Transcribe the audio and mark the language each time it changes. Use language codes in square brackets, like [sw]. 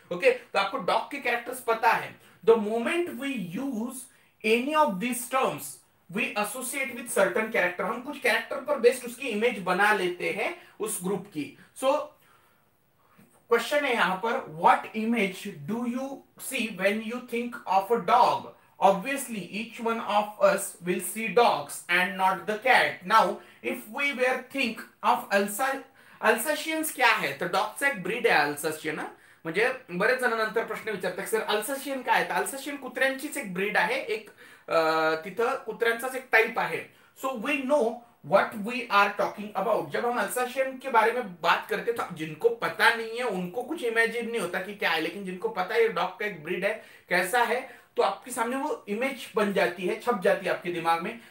[hi] Okay तो आपको dog के कैरेक्टर्स पता है। [en] the moment we use any of this terms we associate with certain character, [hi] हम कुछ कैरेक्टर पर बेस्ड उसकी इमेज बना लेते हैं उस ग्रुप की। सो क्वेश्चन है यहां पर, [en] What image do you see when you think of a dog? Obviously each one of us will see dogs and not the cat. Now if we were think of Alsatians, [hi] क्या है तो dogs एक breed है Alsatian, [mr] म्हणजे बरेच जणांनंतर प्रश्न विचारतात sir Alsatian काय आहे, अल्सेशियन कुत्र्यांचीच एक ब्रीड आहे, एक तिथं कुत्र्यांचाच एक टाइप आहे। [en] so we know what we are talking about, [hi] जब हम अल्सेशियन के बारे में बात करते तो जिनको पता नहीं है उनको कुछ इमेजिन नहीं होता कि क्या है, लेकिन जिनको पता है ये डॉग का एक ब्रीड है, कैसा है, तो आपके सामने वो इमेज बन जाती है, छप जाती है आपके दिमाग में।